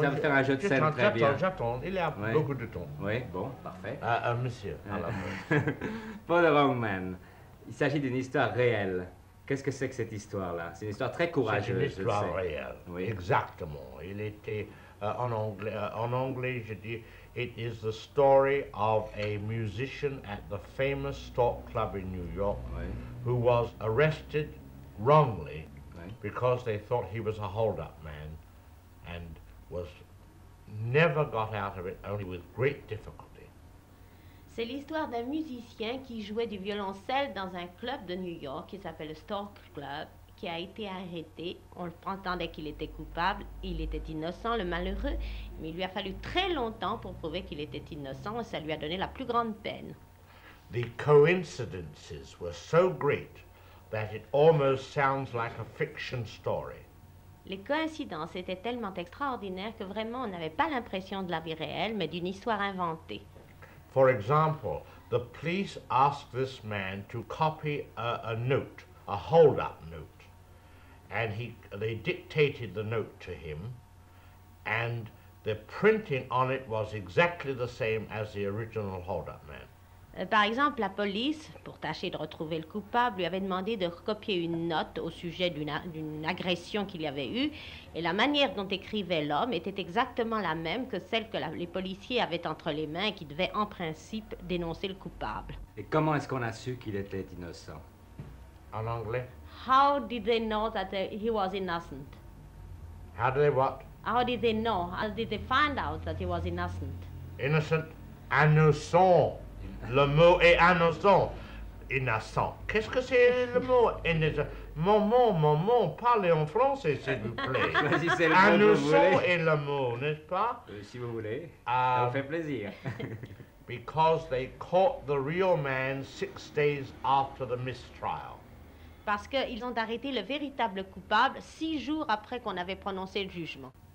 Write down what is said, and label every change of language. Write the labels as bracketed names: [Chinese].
[French] ça va faire un jeu de scène très bien. J'attends. Il y a beaucoup de temps. Oui, bon, parfait. Monsieur, alors. Pour The Wrong Man, il s'agit d'une histoire réelle. Qu'est-ce que c'est que cette histoire-là? C'est une histoire très courageuse. C'est une histoire réelle. Oui. Exactement. Il était en anglais, je dis, [English] it is the story of a musician at the famous Stock Club in New York who was arrested wrongly because they thought he was a hold-up man and was never got out of it, only with great difficulty. [French] C'est l'histoire d'un musicien qui jouait du violoncelle dans un club de New York qui s'appelle le Stork Club, qui a été arrêté. On le prétendait qu'il était coupable. Il était innocent, le malheureux, mais il lui a fallu très longtemps pour prouver qu'il était innocent et ça lui a donné la plus grande peine. [English] The coincidences were so great that it almost sounds like a fiction story. [French] Les coïncidences étaient tellement extraordinaires que vraiment on n'avait pas l'impression de la vie réelle, mais d'une histoire inventée. [English] For example, the police asked this man to copy a note, a hold-up note, and they dictated the note to him, and the printing on it was exactly the same as the original hold-up man. [French] Par exemple, la police, pour tâcher de retrouver le coupable, lui avait demandé de recopier une note au sujet d'une agression qu'il y avait eue, et la manière dont écrivait l'homme était exactement la même que celle que les policiers avaient entre les mains et qui devaient, en principe, dénoncer le coupable. Et comment est-ce qu'on a su qu'il était innocent? En anglais? [English] How did they know that he was innocent? How did they what? How did they know? How did they find out that he was innocent? [French] Innocent? Innocent! Le mot est innocent. Innocent. Qu'est-ce que c'est le mot innocent? Maman, parlez en français, s'il vous plaît. Choisissez le innocent mot que vous voulez. Innocent est le mot, n'est-ce pas? Si vous voulez. Ça vous fait plaisir. [English] Because they caught the real man 6 days after the mistrial. [French] Parce qu'ils ont arrêté le véritable coupable 6 jours après qu'on avait prononcé le jugement.